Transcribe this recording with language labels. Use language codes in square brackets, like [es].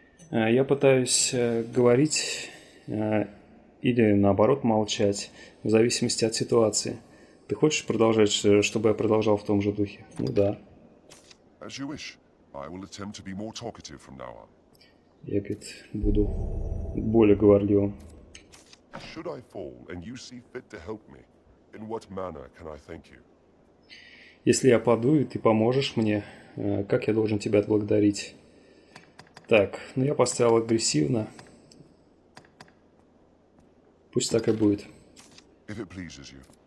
[ru] Я пытаюсь говорить или наоборот молчать, в зависимости от ситуации. Ты хочешь продолжать, чтобы я продолжал в том же духе? Ну да. [en] As you wish, I will attempt to be more talkative from now on. [ru] Я, говорит, буду более говорливым. [en] Should I fall and you see fit to help me, in what manner can I thank you? [ru] Если я паду, и ты поможешь мне, как я должен тебя отблагодарить? Так, ну я поставил агрессивно. Пусть так и будет. [en] If it pleases you.